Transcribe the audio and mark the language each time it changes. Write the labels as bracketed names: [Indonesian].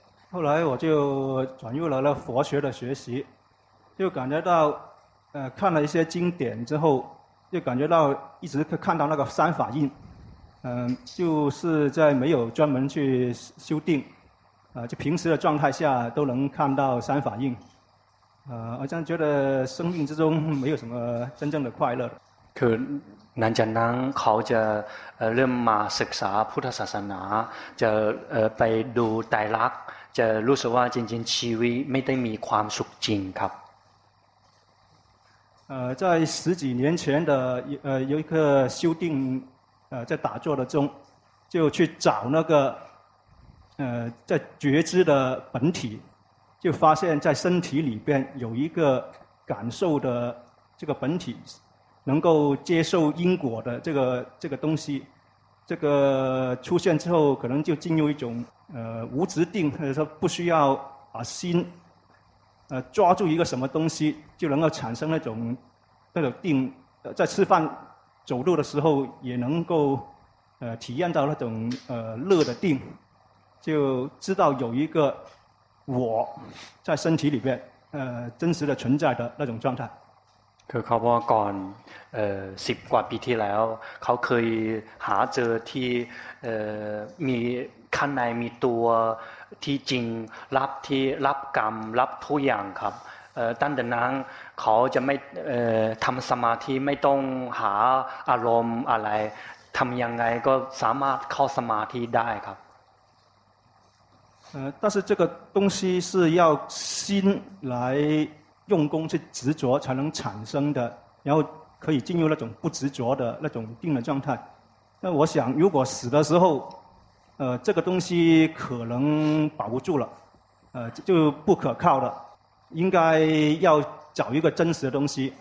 [Chinese] 后来我就转入了佛学的学习，就感觉到看了一些经典之后，就感觉到一直看到那个三法印，就是在没有专门去修定，就平时的状态下都能看到三法印，好像觉得生命之中没有什么真正的快乐。 [Thai] 可หลังจากนั้นเขาจะเริ่มมาศึกษาพุทธศาสนาจะไปดูไตรลักษณ์จะรู้สึกว่าจริงๆชีวิตไม่ได้มีความสุขจริงครับ [Chinese] 在十几年前的有一个修定在打坐的中就去找那个在觉知的本体，就发现在身体里边有一个感受的这个本体能够接受因果的这个东西，这个出现之后可能就进入一种无执定，或者说不需要把心抓住一个什么东西就能够产生那种定，在吃饭走路的时候也能够体验到那种乐的定，就知道有一个我在身体里面真实的存在的那种状态。 [Thai] คือเขาบอกก่อน10กว่าปีที่แล้วเขาเคยหาเจอที่มีข้างในมีตัวที่จริงรับที่รับกรรมรับทุกอย่างครับตั้งแต่นั้นเขาจะไม่ทำสมาธิไม่ต้องหาอารมณ์อะไรทำยังไงก็สามารถเข้าสมาธิได้ครับ [Chinese] 但是这个东西是要心来用功去执着才能产生的，然后可以进入那种不执着的那种定的状态。那我想如果死的时候这个东西可能保不住了，就不可靠了，应该要找一个真实的东西。